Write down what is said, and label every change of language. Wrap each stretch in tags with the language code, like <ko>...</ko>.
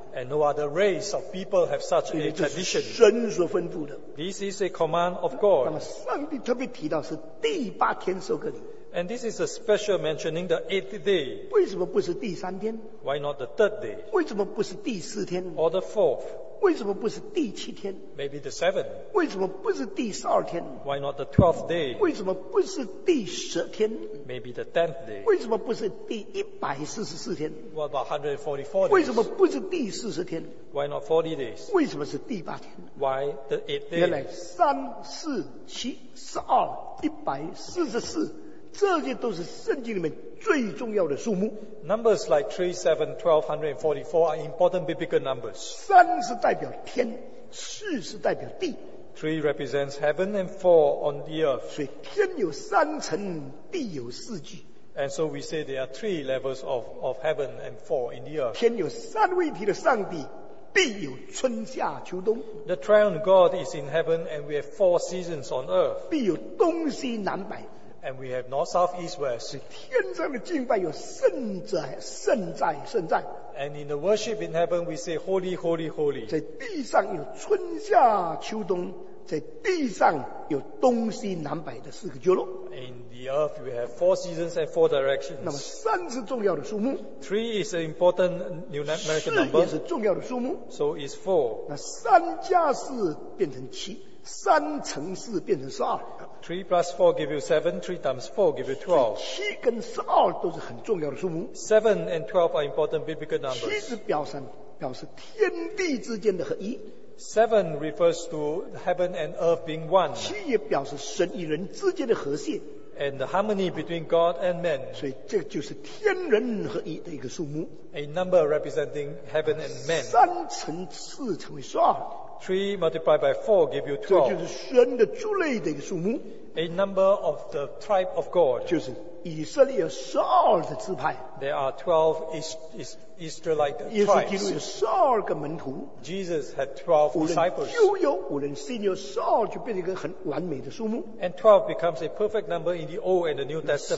<en>And no other race of people have such a tradition.</en> <zh>神所吩咐的。</zh> <en>This is a command of God.</en> <zh>那么上帝特别提到是第八天受割礼。</zh> <en>And this is a special mentioning the eighth day.</en> <zh>为什么不是第三天？</zh> <en>Why not the third day?</en> <zh>为什么不是第四天？</zh> <en>Or the fourth?</en> <zh>为什么不是第七天？</zh> <en>Maybe the seventh.</en> <zh>为什么不是第十二天？</zh> <en>Why not the twelfth day?</en> <zh>为什么不是第十天？</zh> <en>Maybe the tenth day.</en> <zh>为什么不是第一百四十四天？</zh> <en>What about 144 days?</en> <zh>为什么不是第四十天？</zh> <en>Why not 40 days?</en> <zh>为什么是第八天？</zh> <en>Why the eighth day?</en> <zh>原来三四七十二一百四十四，这些都是圣经里面最重要的数目。</zh> <en>Numbers like 3, 7, 12, 144 are important biblical numbers.</en> <zh>三是代表天，四是代表地。</zh> <en>3 represents heaven and 4 on the earth.</en> <zh>所以天有三层，地有四季。</zh> <en>And so we say there are 3 levels of heaven and 4 in the earth.</en> <zh>天有三位一体的上帝，必有春夏秋冬。</zh> <en>The triune God is in heaven and we have 4 seasons on earth.</en> <zh>必有东西南北。</zh> <en>And we have north, south, east, west.</en> <zh>是天上的敬拜有圣在，圣在，圣在。</zh> <en>And in the worship in heaven, we say holy, holy, holy.</en> <zh>在地上有春夏秋冬，在地上有东西南北的四个角落。</zh> <en>In the earth, we have four seasons and four directions.</en> <zh>那么三是重要的数目。</zh> <en>Three is an important numerical number.</en> <zh>四也是重要的数目。</zh> <en>So is four.</en> <zh>那三加四变成七，三乘四变成十二。</zh> <en>3 plus 4 give you 7, 3 times 4 give you 12.</en> <zh>7跟12都是很重要的数目。</zh> <en>7 and 12 are important biblical numbers.</en> <zh>7是表示天地之间的合一。</zh> <en>7 refers to heaven and earth being one.</en> <zh>7也表示神与人之间的和谐。</zh> <en>And the harmony between God and man.</en> <zh>所以这就是天人合一的一个数目。</zh> <en>A number representing heaven and man.</en> <zh>3乘4成为12。</zh> <en>3 multiplied by 4 give you 12.</en> <zh>这就是神的族类的一个数目。</zh> <en>A number of the tribe of God.</en> <zh>就是以色列有十二的支派。</zh> <en>There are 12 Israelite tribes.</en> <zh>耶稣基督有十二个门徒。</zh> <en>Jesus had 12 disciples.</en> <zh>无论旧有，无论新有，十二就变成一个很完美的数目。</zh> <en>And 12 becomes a perfect number in the Old and the New Testament.</en>